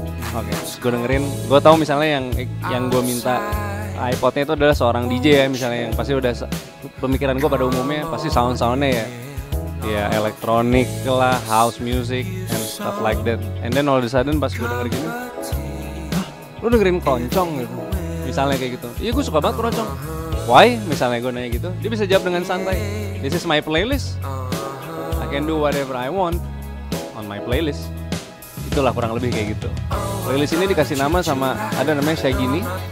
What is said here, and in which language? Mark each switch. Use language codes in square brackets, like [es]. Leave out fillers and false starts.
[id] Oke, gue dengerin, gue tahu misalnya yang gue minta iPodnya itu adalah seorang DJ ya misalnya, yang pasti udah pemikiran gue pada umumnya pasti sound-soundnya ya, ya elektronik lah, [en] house music and stuff like that. And then all of a sudden [id] pas gue denger gini, lo dengerin keroncong gitu, misalnya kayak gitu. Iya gue suka banget keroncong. [en] Why? [id] Misalnya gue nanya gitu, dia bisa jawab dengan santai. [en] This is my playlist. I can do whatever I want on my playlist. [id] Itulah kurang lebih kayak gitu. Playlist ini dikasih nama sama ada namanya Cagi.